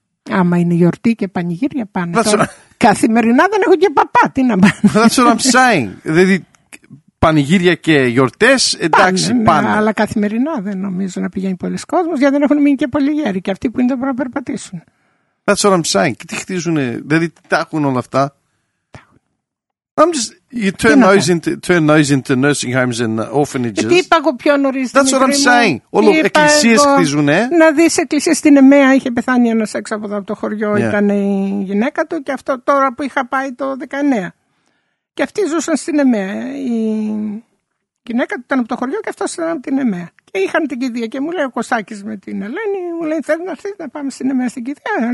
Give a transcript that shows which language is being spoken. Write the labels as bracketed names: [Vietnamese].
[Greek] Άμα είναι γιορτή και πανηγύρια πάνε. Καθημερινά δεν έχω και παπά, τι να πάνε. [English] That's what I'm saying. [Greek] Δηλαδή πανηγύρια και γιορτές, εντάξει, πάνε. Αλλά καθημερινά δεν νομίζω να πηγαίνει πολλοί κόσμος, γιατί δεν έχουν μείνει και πολλοί γέροι και αυτοί που είναι δεν μπορούν να περπατήσουν. [English] That's what I'm saying. [Greek] Και τι χτίζουν, δηλαδή τι τα έχουν όλα αυτά? [English] I'm just, you turn those, into nursing homes and orphanages. [Greek] Τι είπα εγώ πιο νωρίς? [English] That's what I'm saying. [Greek] Όλο εκκλησίες χτίζουν. Να δεις εκκλησίες στην Εμαία, είχε πεθάνει ένας έξω από εδώ από το χωριό. Yeah. Ήταν η γυναίκα του και αυτό τώρα που είχα πάει το 19. Και αυτοί ζούσαν στην Εμαία. Η γυναίκα του ήταν από το χωριό και αυτός ήταν από την Εμαία. Και είχαν την κηδεία και μου λέει ο Κωστάκης με την Ελένη, μου λέει θέλει να έρθει να πάμε στην Εμαία στην κηδεία.